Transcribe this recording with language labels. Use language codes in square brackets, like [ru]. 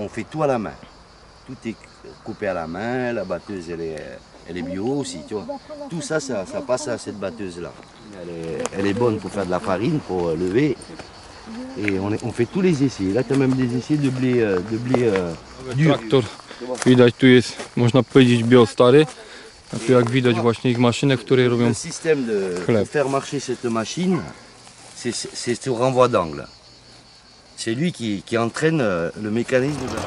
[fr] Tout à la main, tout est coupé à la main, la batteuse elle est bio aussi, tu vois. Tout ça, ça passe à cette batteuse-là. Elle est bonne pour faire de la farine, pour lever. Et on fait tous les essais. Là, tu as même des essais de blé dur. [pl] Traktor, widać, tu jest, można powiedzieć, bio stary. A tu jak widać właśnie ich maszyny, które robią chleb. [fr] Le système de faire marcher cette machine, c'est ce renvoi d'angle. C'est lui qui entraîne le mécanisme.